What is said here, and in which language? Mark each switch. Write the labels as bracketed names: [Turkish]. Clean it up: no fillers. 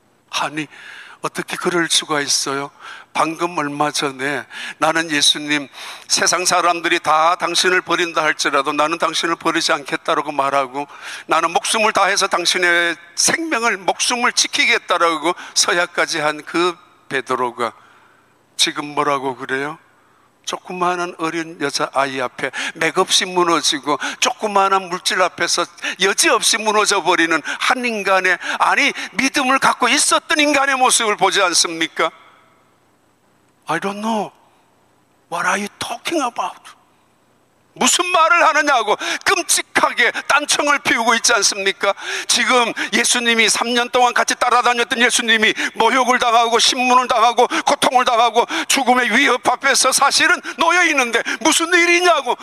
[Korean] 아니 어떻게 그럴 수가 있어요? 방금 얼마 전에 나는 예수님 세상 사람들이 다 당신을 버린다 할지라도 나는 당신을 버리지 않겠다라고 말하고 나는 목숨을 다해서 당신의 생명을 목숨을 지키겠다라고 서약까지 한 그 베드로가 지금 뭐라고 그래요? 조그마한 어린 여자아이 앞에 맥없이 무너지고 조그마한 물질 앞에서 여지없이 무너져버리는 한 인간의 아니 믿음을 갖고 있었던 인간의 모습을 보지 않습니까? [English] I don't know. What are you talking about? [Korean] 무슨 말을 하느냐고 끔찍하게 딴청을 피우고 있지 않습니까? 지금 예수님이 3년 동안 같이 따라다녔던 예수님이 모욕을 당하고 신문을 당하고 고통을 당하고 죽음의 위협 앞에서 사실은 놓여있는데 무슨 일이냐고.